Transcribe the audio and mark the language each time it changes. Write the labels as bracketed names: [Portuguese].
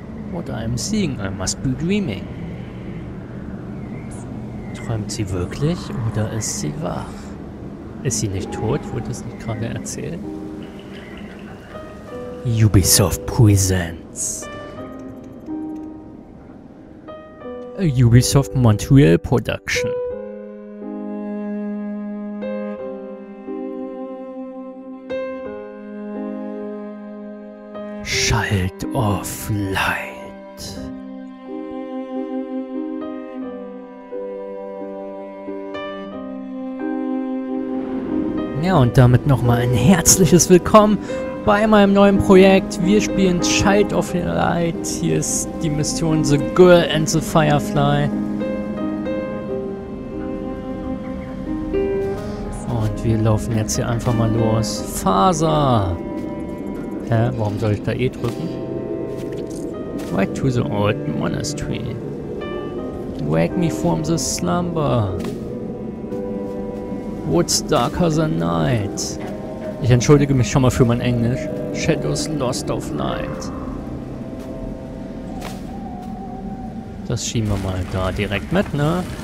[English] What I am seeing, I must be dreaming. [German] Träumt sie wirklich oder ist sie wach? Ist sie nicht tot? Wurde das nicht gerade erzählt? [English] Ubisoft Presents. A Ubisoft Montreal Production. Shield of Light. [German] Ja, und damit nochmal ein herzliches Willkommen bei meinem neuen Projekt. Wir spielen Child of Light. Hier ist die Mission The Girl and the Firefly. Und wir laufen jetzt hier einfach mal los. Faser! Hä? Warum soll ich da E drücken? [English] Right to the old monastery. Wake me from the slumber. What's darker than night? [German] Ich entschuldige mich schon mal für mein Englisch. [English] Shadows Lost of Light. [German] Das schieben wir mal da direkt mit, ne?